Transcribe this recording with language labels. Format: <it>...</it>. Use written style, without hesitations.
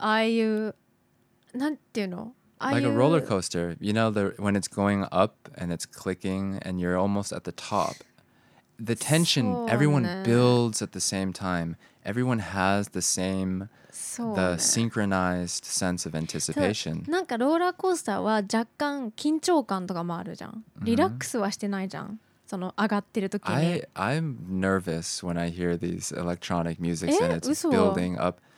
<ja>ああいう、なんていうの?</ja> <en>Like a roller coaster. You know, when it's going up and it's clicking and you're almost at the top. The tension, everyone builds at the same time. Everyone has the same, the synchronized sense of anticipation.</en> <ja>なんかローラーコースターは若干緊張感とかもあるじゃん。リラックスはしてないじゃん。その上がってる時に。</ja> <en>I'm nervous when I hear these electronic music and it's building up.</en>